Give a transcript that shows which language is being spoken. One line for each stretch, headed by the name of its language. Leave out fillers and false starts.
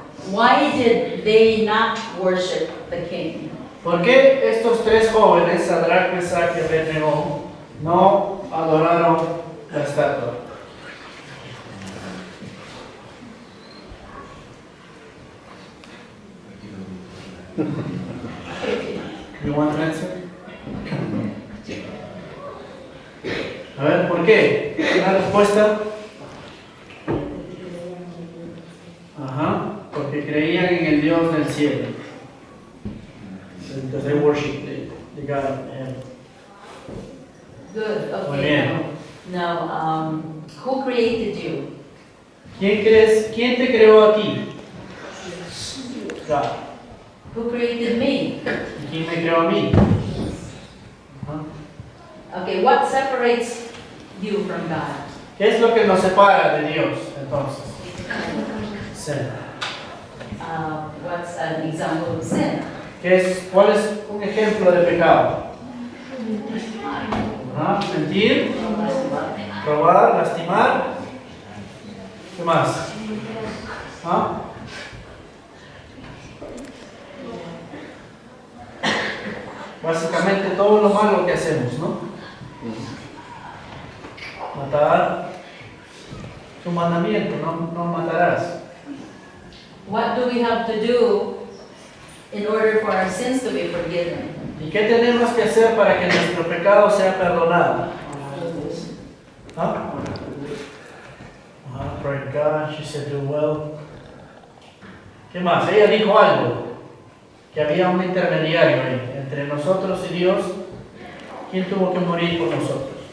English: Why did they not worship the king?
Spanish: ¿Por qué estos tres jóvenes, Sadrach, Meshach y Abednego, no adoraron la estatua?
English: You want an answer?
Spanish: A ver, ¿por qué? ¿Una respuesta? Ajá, porque creían en el Dios del cielo.
English: Because they worshiped the God of heaven. Good, okay.
Spanish: Muy bien.
English: Now, who created you?
Spanish: ¿Quién crees? ¿Quién te creó a ti?
English: God. Who created me?
Spanish: ¿Quién me creó a mí?
English: Okay, what separates you from God?
Spanish: ¿Qué es lo que nos separa de Dios, entonces?
English: Sin. What's an example of sin?
Spanish: ¿Cuál es un ejemplo de pecado? Mentir. Robar, lastimar. ¿Qué más? Básicamente todo lo malo que hacemos, ¿no? Matar. Es un mandamiento, no matarás.
English: What do we have to do in order for our sins to be forgiven?
Spanish: ¿Y qué tenemos que hacer para que nuestro pecado sea perdonado?
English: I prayed God, she said do well.
Spanish: ¿Qué más? Ella dijo algo. Que había un intermediario ahí. Entre nosotros y Dios, ¿quién tuvo que morir por nosotros?